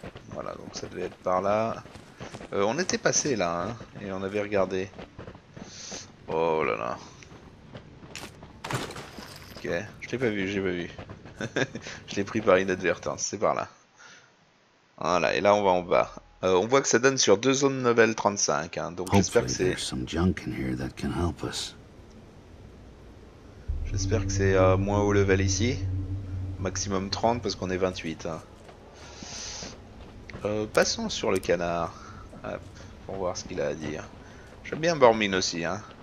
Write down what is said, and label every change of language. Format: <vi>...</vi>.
<fr>Voilà, donc ça devait être par là. On était passé là, hein, et on avait regardé. Oh là là. Ok, je l'ai pas vu, j'ai pas vu. Je l'ai pris par inadvertance, c'est par là. Voilà, et là on va en bas. On voit que ça donne sur deux zones level 35, hein, donc j'espère que</fr> <en>Hopefully,</en> <fr>c'est.</fr> <en>there's some junk in here that can help us.</en> <fr>J'espère que c'est moins haut level ici. Maximum 30 parce qu'on est 28. Hein. Passons sur le canard. Hop, pour voir ce qu'il a à dire. J'aime bien Bormine aussi, hein.</fr>